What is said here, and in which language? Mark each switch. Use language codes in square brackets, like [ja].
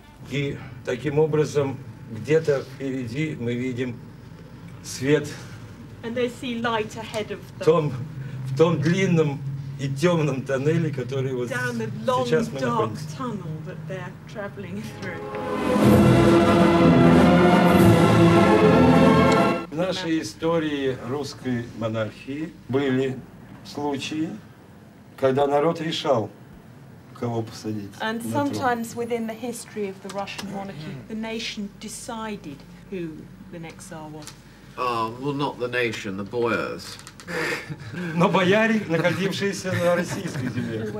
[ru] И таким образом, где-то впереди мы видим свет в том длинном и темном тоннеле, который вот сейчас мы находимся. В нашей истории русской монархии были случаи, когда народ решал, кого посадить. [en] And sometimes within the history of the Russian monarchy, the nation decided who the next Tsar was. Well, not the nation, the boyars. [ru] Но бояре, находившиеся на российской земле.